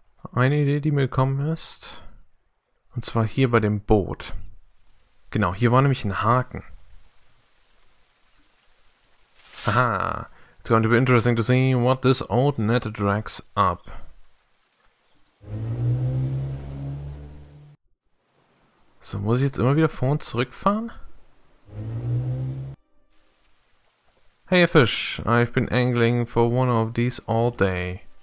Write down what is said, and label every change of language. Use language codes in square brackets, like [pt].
[de] Eine Idee, die mir gekommen ist, und zwar hier bei dem Boot. Genau, hier war nämlich ein Haken. [en] Aha, it's going to be interesting to see what this old net drags up. [de] So, muss ich jetzt immer wieder vor und zurückfahren? [en] Hey, a fish, I've been angling for one of these all day.